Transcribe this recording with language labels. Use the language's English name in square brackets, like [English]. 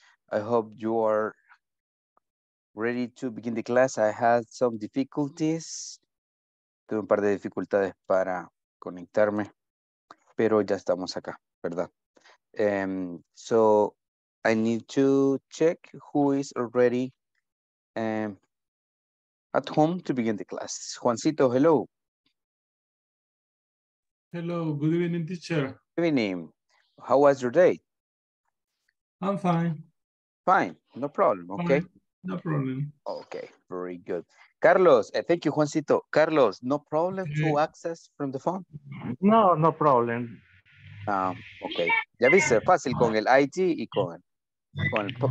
[English] I hope you are ready to begin the class. I had some difficulties. [Spanish] Tuve un par de dificultades para conectarme, pero ya estamos acá, ¿verdad? [English] So I need to check who is already at home to begin the class. Juancito, hello. Hello. Good evening, teacher. Good evening. How was your day? I'm fine. Fine. No problem. Okay. Fine. No problem. Okay. Very good. Carlos, thank you, Juancito. Carlos, no problem to access from the phone? No, no problem. Okay. [Spanish] Ya viste, fácil con el IT y con el